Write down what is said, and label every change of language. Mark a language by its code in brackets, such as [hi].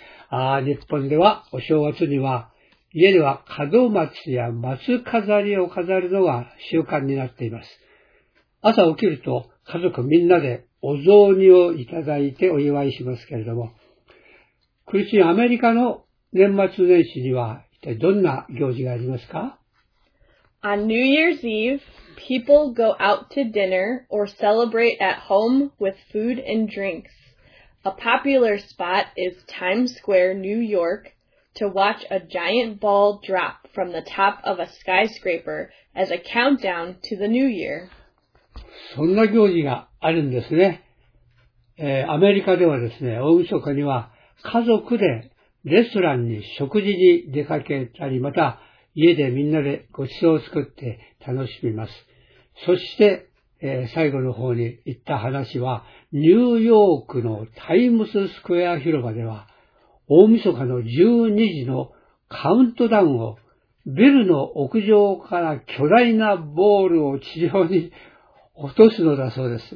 [ja] ああ、日本ではお正月には、家では門松や松飾りを飾るのが習慣になっています。朝起きると、家族みんなでお雑煮をいただいてお祝いしますけれども、クリスチン、アメリカの年末年始には一体どんな行事がありますか？ [en] On New Year's Eve, people go out to dinner or celebrate at home with food and drinks. A popular spot is Times Square, New York, to watch a giant ball drop from the top of a skyscraper as a countdown to the New Year. [ja] そんな行事があるんですね。アメリカではですね、大晦日には家族でレストランに食事に出かけたり、また家でみんなでごちそうを作って楽しみます。そして、最後の方に言った話は、ニューヨークのタイムズスクエア広場では、大晦日の12時のカウントダウンをビルの屋上から巨大なボールを地上に落とすのだそうです。